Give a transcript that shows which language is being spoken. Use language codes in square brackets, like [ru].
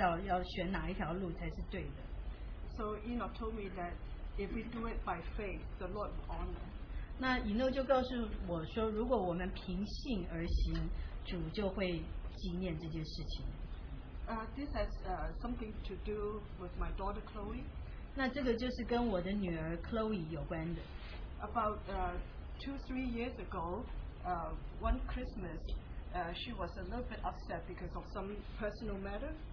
[zh] 我曾经问以诺弟兄，如果有两条路在我们面前，你怎么知道要选哪一条路才是对的？ [en] So Enoch told me that if we do it by faith, the Lord will honor. [zh] 那以诺就告诉我说，如果我们凭信而行，主就会纪念这件事情。 [en] This has something to do with my daughter Chloe. [zh] 那这个就是跟我的女儿 Chloe 有关的。 [en] About two, 3 years ago, one Christmas, she was a little bit upset because of some personal matter.